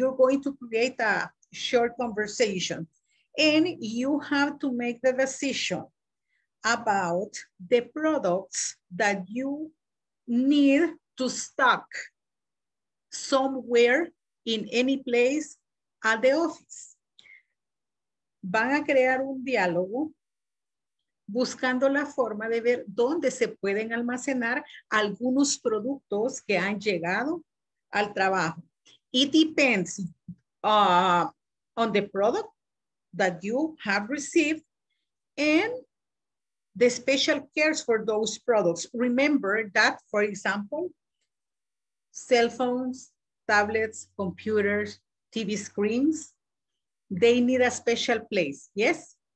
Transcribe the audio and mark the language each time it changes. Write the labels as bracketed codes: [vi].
[en] You're going to create a short conversation and you have to make the decision about the products that you need to stock somewhere in any place at the office. [es] Van a crear un diálogo buscando la forma de ver dónde se pueden almacenar algunos productos que han llegado al trabajo. [en] It depends on the product that you have received and the special cares for those products. Remember that, for example, cell phones, tablets, computers, TV screens, they need a special place, yes?